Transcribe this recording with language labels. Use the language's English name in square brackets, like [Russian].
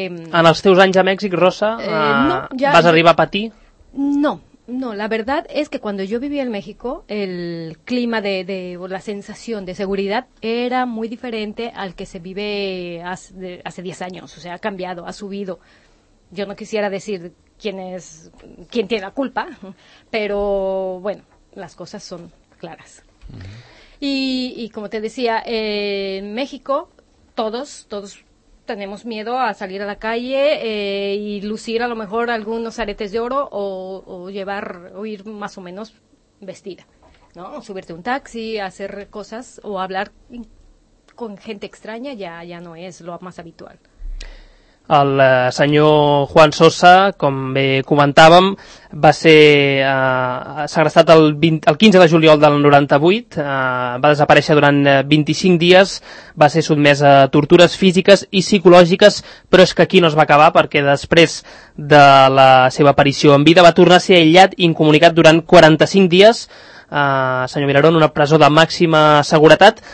[Catalan] en els teus anys a Mèxic, Rosa, arribar a patir? [Spanish] No. No, la verdad es que cuando yo vivía en México, el clima de o la sensación de seguridad era muy diferente al que se vive hace 10 años. O sea, ha cambiado, ha subido. Yo no quisiera decir quién tiene la culpa, pero bueno, las cosas son claras. Uh-huh. Y como te decía, en México todos tenemos miedo a salir a la calle y lucir a lo mejor algunos aretes de oro o ir más o menos vestida, ¿no? O subirte un taxi, hacer cosas o hablar con gente extraña ya no es lo más habitual. [Catalan] El senyor Juan Sosa, com bé comentàvem, va ser segrestat el 15 de juliol del 98, va desaparèixer durant 25 dies, va ser sotmès a tortures físiques i psicològiques, però és que aquí no es va acabar, perquè després de la seva aparició en vida va tornar a ser aïllat i incomunicat durant 45 dies, senyor Vilaró, en una presó de màxima seguretat.